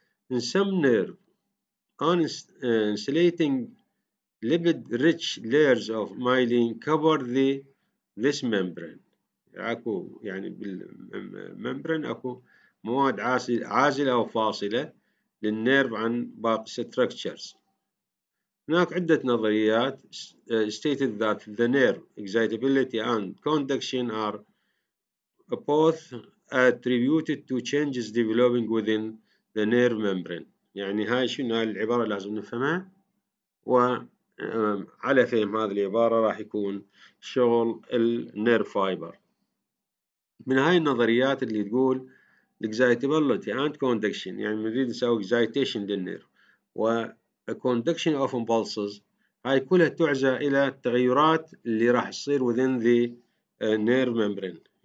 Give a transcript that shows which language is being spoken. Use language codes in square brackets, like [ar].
[en] In some nerve insulating lipid rich layers of myelin cover this membrane. [ar] اكو يعني بالممبرين اكو مواد عازلة او فاصلة للنيرف عن باقي structures. هناك عدة نظريات [en] stated that the nerve excitability and conduction are both attributed to changes developing within the nerve membrane. [ar] يعني هاي شنو العبارة لازم نفهمها، وعلى فهم هذه العبارة راح يكون شغل النيرف فايبر. من هاي النظريات اللي تقول [en] excitability and conduction [ar] يعني نريد نسوي excitation للنيرف و [en] A conduction of impulses [ar] هاي كلها تعزى إلى التغيرات اللي راح تصير [en] within the nerve membrane.